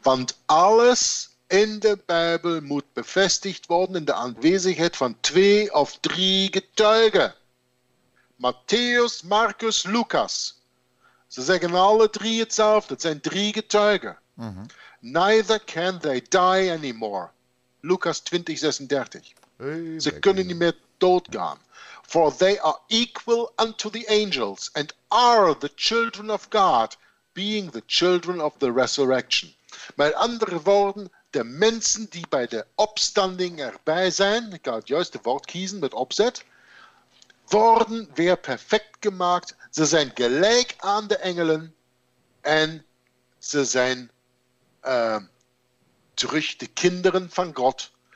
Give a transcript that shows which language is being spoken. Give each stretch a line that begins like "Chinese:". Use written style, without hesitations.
Dutch: Want alles in de Bijbel moet bevestigd worden in de aanwezigheid van 2 of 3 getuigen. Matthäus, Marcus, Lucas. Ze zeggen alle 3 hetzelfde. Het zijn 3 getuigen. Mm-hmm.
English: Neither can they die anymore. Lucas 20, 36. Hey,
Dutch: ze kunnen niet meer doodgaan. Yeah.
English: For they are equal unto the angels and are the children of God, being the children of the resurrection.
Dutch: Met andere woorden, de mensen die bij de opstanding erbij zijn, ik ga het juiste woord kiezen met opzet, worden weer perfect gemaakt. Ze zijn gelijk aan de engelen. En ze zijn terug de kinderen van God.